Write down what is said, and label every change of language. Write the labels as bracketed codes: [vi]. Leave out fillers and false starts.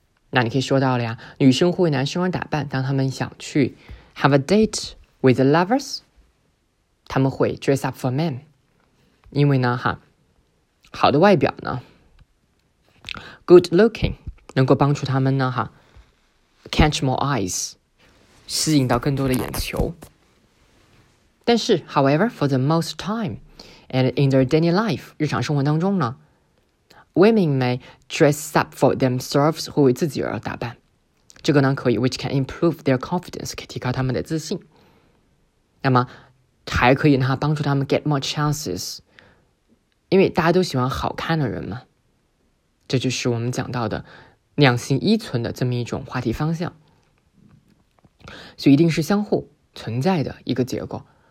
[zh] 那你可以说到了呀，女生会为男生而打扮，当他们想去 [en] have a date with the lovers， [zh] 他们会 [en] dress up for men， [zh] 因为呢哈，好的外表呢 [en] good looking [zh] 能够帮助他们呢哈 [en] catch more eyes， [zh] 吸引到更多的眼球。 [en] 但是 however for the most time and in their daily life， [zh] 日常生活当中呢， [en] Women may dress up for themselves， [zh] 会为自己而打扮，这个呢可以 [en] ，which can improve their confidence， [zh] 可以提高他们的自信。那么还可以呢帮助他们 [en] get more chances， [zh] 因为大家都喜欢好看的人嘛。这就是我们讲到的两性依存的这么一种话题方向，所以一定是相互存在的一个结构。